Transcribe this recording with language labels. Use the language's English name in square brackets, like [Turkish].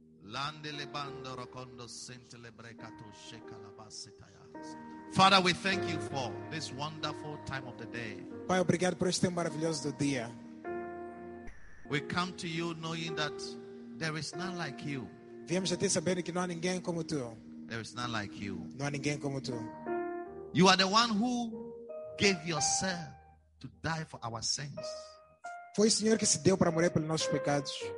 [English] Father, we thank you for this wonderful time of the day. [Portuguese] Pai, obrigado por este maravilhoso do dia. [English] We come to you knowing that there is none like you. [Portuguese] Viemos a ti sabendo que não há ninguém como tu. [English] There is none like you. [Portuguese] Não há ninguém como tu. [English] You are the one who gave yourself to die for our sins. [Portuguese] Foi o Senhor que se deu para morrer pelos nossos pecados.